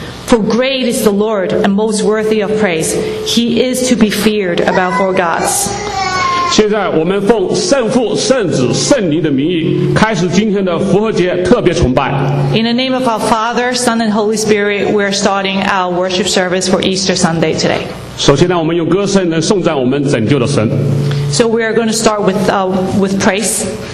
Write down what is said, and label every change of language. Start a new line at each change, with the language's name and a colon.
English: For great is the Lord and most worthy of praise. He is to be feared above all gods.
Chinese: 现在我们奉圣父、圣子、圣灵的名义，开始今天的复活节特别崇拜。
English: In the name of our Father, Son, and Holy Spirit, we are starting our worship service for Easter Sunday today.
Chinese: 首先呢，我们用歌声来颂赞我们拯救的神。
English: So we are going to start with praise.